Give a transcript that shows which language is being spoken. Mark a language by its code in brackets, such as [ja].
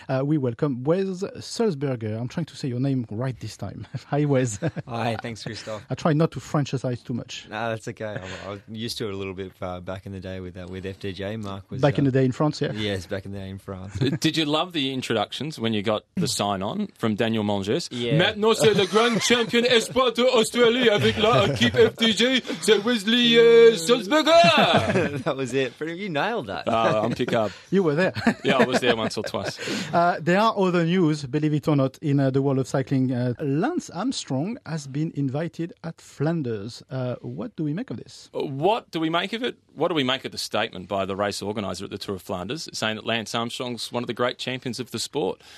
[en] We welcome Wes Sulzberger. I'm trying to say your name right this time. Hi, Wes. Hi, thanks, Christophe. I try not to Frenchize too much. No, that's okay. I'm used to it a little bit back in the day with FDJ. Mark was back in the day in France, yeah? Yes, back in the day in France. Did you love the introductions when you got the sign on from Daniel Monges? Yeah. [fr] Maintenant, c'est le grand champion espoir de Australie avec la équipe FDJ, c'est Wesley Sulzberger. [en] That was it. You nailed that. I'm Picard. You were there. Yeah, I was there once or twice. There are other news, believe it or not, in the world of cycling. Lance Armstrong has been invited at Flanders. What do we make of this? What do we make of it? What do we make of the statement by the race organiser at the Tour of Flanders saying that Lance Armstrong's one of the great champions of the sport?